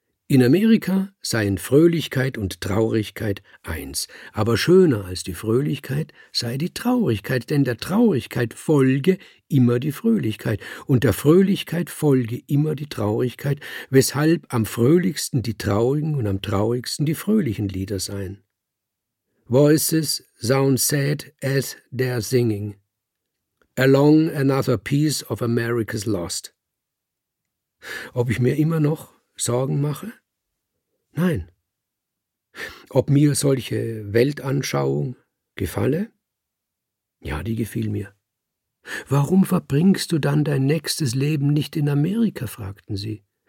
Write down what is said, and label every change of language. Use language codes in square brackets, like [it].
[de] In Amerika seien Fröhlichkeit und Traurigkeit eins, aber schöner als die Fröhlichkeit sei die Traurigkeit, denn der Traurigkeit folge immer die Fröhlichkeit und der Fröhlichkeit folge immer die Traurigkeit, weshalb am fröhlichsten die traurigen und am traurigsten die fröhlichen Lieder seien. [en] Voices sound sad as they're singing. Along another piece of America's lost. [de] Ob ich mir immer noch Sorgen mache? Nein. Ob mir solche Weltanschauung gefalle? Ja, die gefiel mir. Warum verbringst du dann dein nächstes Leben nicht in Amerika, fragten sie.